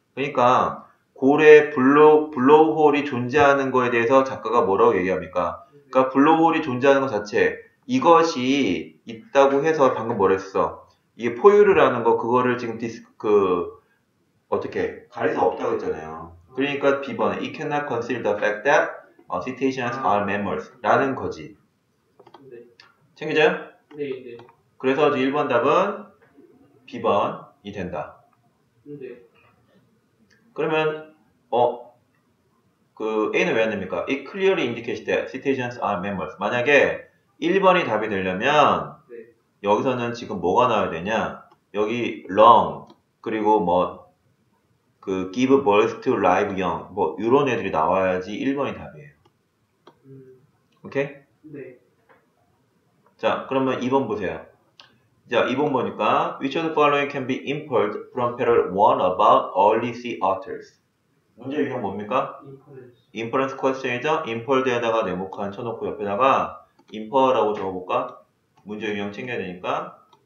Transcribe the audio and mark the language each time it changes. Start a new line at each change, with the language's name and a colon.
Korean: 그러니까 고래 블로우홀이 존재하는 거에 대해서 작가가 뭐라고 얘기합니까? 그러니까 블로우홀이 존재하는 것 자체 이것이 있다고 해서 방금 뭐랬어? 이게 포유류라는 거 그거를 지금 어떻게 가리서 없다고 했잖아요. 그러니까 B번에
English: It cannot conceal the fact that cetaceans are mammals
Korean: 라는 거지. 챙기죠? 그래서 1번 답은 B번이 된다. 그러면 그 A는 왜 안 됩니까?
English: It clearly indicates that citizens are members.
Korean: 만약에 1번이 답이 되려면 네. 여기서는 지금 뭐가 나와야 되냐? 여기 long 그리고 뭐 그
English: give birth to live young
Korean: 뭐 이런 애들이 나와야지 1번이 답이에요. 오케이? 네. 자, 그러면 2번 보세요. 자, 2번 보니까
English: Which of the following can be inferred from parallel 1 about early sea otters?
Korean: 문제 유형 뭡니까?
English: Inference
Korean: question이죠? Inferred에다가 네모칸 쳐놓고 옆에다가 Infer라고 적어볼까? 문제 유형 챙겨야 되니까